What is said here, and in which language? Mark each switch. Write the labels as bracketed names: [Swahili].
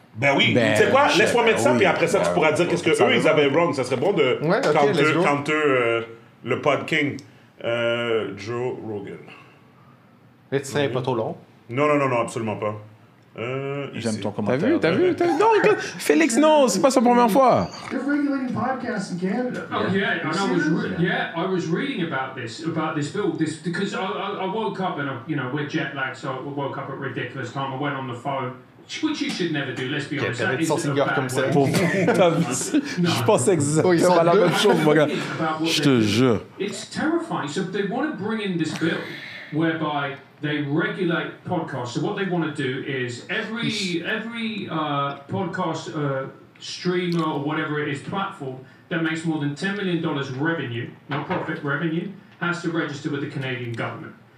[French] Ben oui, ben, tu sais quoi, laisse-moi mettre ça, puis après ça, tu pourras dire qu'est-ce qu'eux, ils avaient wrong. Ça serait bon de counter le pod king. Joe Rogan. Mais tu serais pas trop long? Non, absolument pas. J'aime ton commentaire. T'as vu? Non, Félix, non, c'est pas sa première fois. [English] They're regulating podcasts in Canada. Oh, yeah, and I was reading about this bill, this, because I woke up and, you know, we're jet lagged, so I woke up at ridiculous time. I went on the phone. Which you should never do, let's be honest. [French] Okay, t'avais dit sans signeur comme ça. Je pensais exactement à la même chose, mon gars. Je te jure. [English] It's terrifying. So they want to bring in this bill whereby they regulate podcasts. So what they want to do is every podcast streamer or whatever it is, platform that makes more than $10 million revenue, not profit, revenue, has to register with the Canadian government.